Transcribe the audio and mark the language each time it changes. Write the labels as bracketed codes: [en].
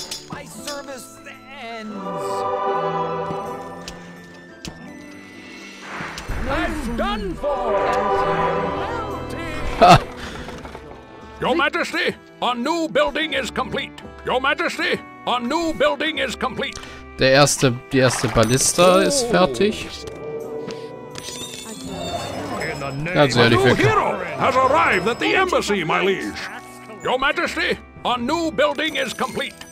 [en] My service ends. Your Majesty, a new building is complete. Your Majesty, a new building is complete. [de] Die erste Ballista ist fertig. In Ganz ehrlich, [en] a new hero has arrived at the embassy, my liege. Your Majesty, a new building is complete.